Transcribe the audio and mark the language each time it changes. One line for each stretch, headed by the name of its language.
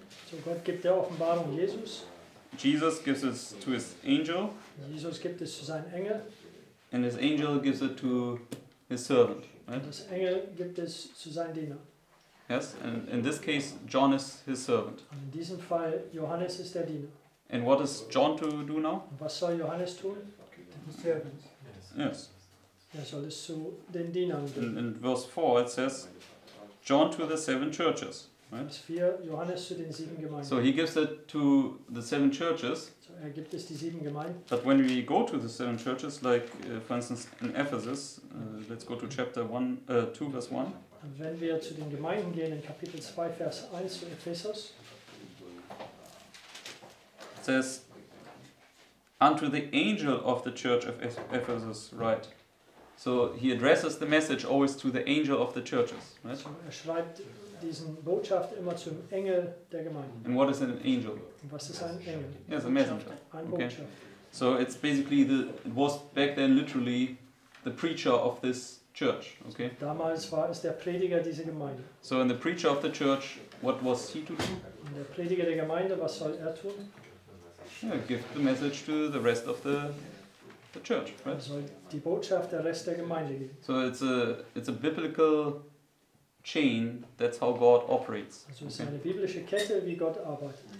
English: So God gives the Offenbarung Jesus. Jesus gives it to his angel.
German: Jesus gibt es zu seinem Engel.
English: And his angel gives it to his servant, right?
German: Das Engel gibt es zu seinem Diener.
English: Yes, and in this case, John is his servant.
German: Und in diesem Fall, Johannes ist der Diener.
English: And what is John to do now?
German: Und was soll Johannes tun?
English: The servant. Yes.
German: Er soll es zu den Dienern geben.
English: In verse 4 it says, John to the seven churches, right?
German: Vers 4, Johannes zu den sieben Gemeinden.
English: So he gives it to the seven churches.
German: Er gibt es die sieben Gemeinden.
English: But when we go to the seven churches, like for instance in Ephesus, let's go to chapter 2, verse 1.
German: Und wenn wir zu den Gemeinden gehen, in Kapitel 2, Vers 1 zu Ephesus.
English: It says, unto the angel of the church of Ephesus, right? So he addresses the message always to the angel of the churches, right?
German: So er schreibt diesen Botschaft immer zum Engel der Gemeinden.
English: And what is an angel?
German: Und was ist ein Engel?
English: Yes, a messenger.
German: Ein Botschaft.
English: Okay. So it's basically it was back then literally the preacher of this church. Okay.
German: Damals war es der Prediger dieser Gemeinde.
English: So in the preacher of the church, what was he to do?
German: Und der Prediger der Gemeinde, was soll er tun?
English: Yeah, give the message to the rest of the church, right?
German: Er soll die Botschaft der Rest der Gemeinde geben.
English: So it's a biblical chain, that's how God operates.
German: Also es ist eine biblische Kette, wie Gott arbeitet.